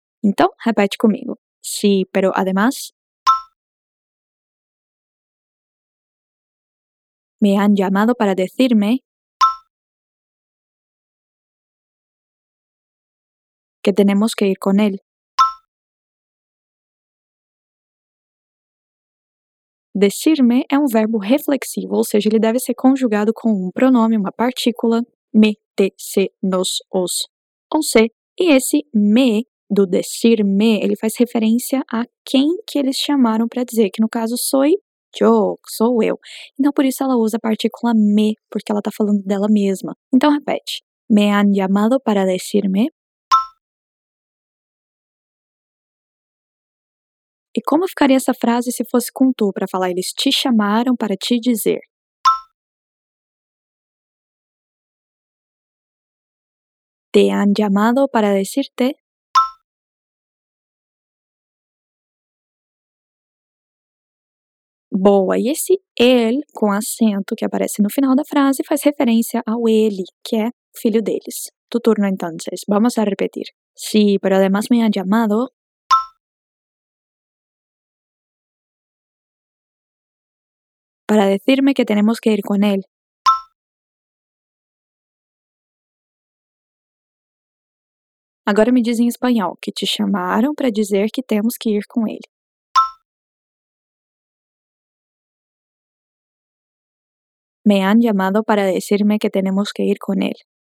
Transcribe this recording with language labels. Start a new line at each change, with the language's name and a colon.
Portuguese: Então, repete comigo.
Spanish: Sí, pero además me han llamado para decirme que tenemos que ir con él.
Portuguese: Decirme é um verbo reflexivo, ou seja, ele deve ser conjugado com um pronome, uma partícula, me, te, se, nos, os, ou se. E esse me, do decirme, ele faz referência a quem que eles chamaram para dizer, que no caso
Spanish: soy yo,
Portuguese: sou eu. Então, por isso ela usa a partícula me, porque ela está falando dela mesma. Então, repete.
Spanish: Me han llamado para decirme.
Portuguese: E como ficaria essa frase se fosse com tu, para falar eles te chamaram para te dizer?
Spanish: Te han llamado para decirte. Te
Portuguese: Boa, e esse ele com acento que aparece no final da frase faz referência ao ele, que é filho deles.
Spanish: Tu turno, entonces. Vamos a repetir. Sí, pero además me ha llamado. Para decirme que tenemos que ir con él.
Portuguese: Agora me diz em espanhol que te chamaram para dizer que temos que ir com ele.
Spanish: Me han llamado para decirme que tenemos que ir con él.